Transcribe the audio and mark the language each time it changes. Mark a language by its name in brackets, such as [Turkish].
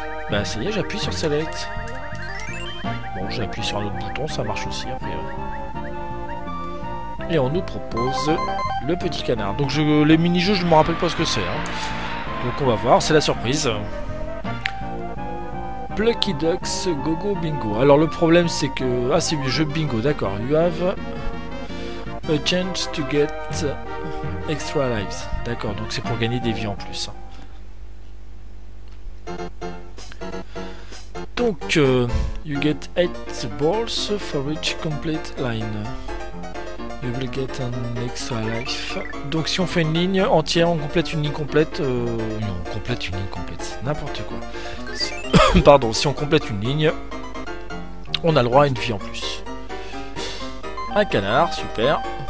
[French] Ben ça y est, j'appuie sur Select. Bon, j'appuie sur un autre bouton, ça marche aussi a priori. Et on nous propose le petit canard. Donc les mini-jeux, je ne me rappelle pas ce que c'est. Hein. Donc on va voir, c'est la surprise. Plucky Ducks Go Go Bingo. Alors le problème c'est que... Ah c'est le jeu bingo, d'accord. [English] You have a chance to get extra lives. [French] D'accord, donc c'est pour gagner des vies en plus. [English] Donc, you get 8 balls for each complete line. You will get an extra life. [French] Donc si on fait une ligne entière, on complète une ligne complète. Non, on complète une ligne complète. N'importe quoi. Pardon, si on complète une ligne, on a le droit à une vie en plus. Un canard, super.